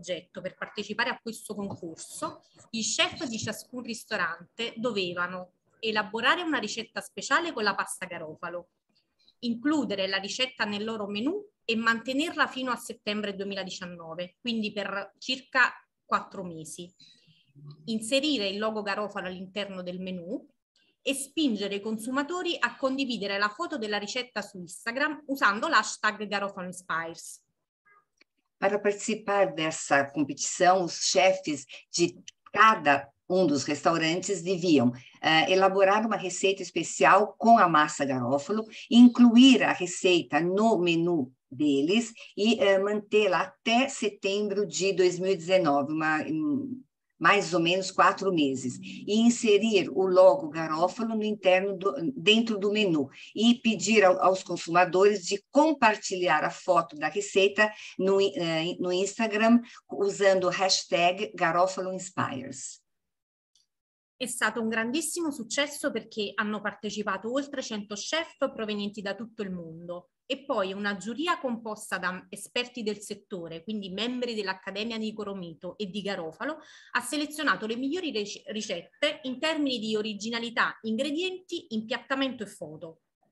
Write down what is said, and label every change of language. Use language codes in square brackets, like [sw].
[it] Per partecipare a questo concorso, i chef di ciascun ristorante dovevano elaborare una ricetta speciale con la pasta Garofalo, includere la ricetta nel loro menù e mantenerla fino a settembre 2019, quindi per circa 4 mesi. Inserire il logo Garofalo all'interno del menu e spingere i consumatori a condividere la foto della ricetta su Instagram usando l'hashtag Garofalo Inspires. [pt] Para participar dessa competição, os chefes de cada dos restaurantes deviam elaborar uma receita especial com a massa Garofalo, incluir a receita no menu deles e mantê-la até setembro de 2019, mais ou menos 4 meses, e inserir o logo Garofalo no interno dentro do menu e pedir aos consumidores de compartilhar a foto da receita no Instagram usando o hashtag Garofalo Inspires. [it] È stato un grandissimo successo perché hanno partecipato oltre 100 chef provenienti da tutto il mondo e poi una giuria composta da esperti del settore, quindi membri dell'Accademia di Coromito e di Garofalo, ha selezionato le migliori ricette in termini di originalità, ingredienti, impiattamento e foto.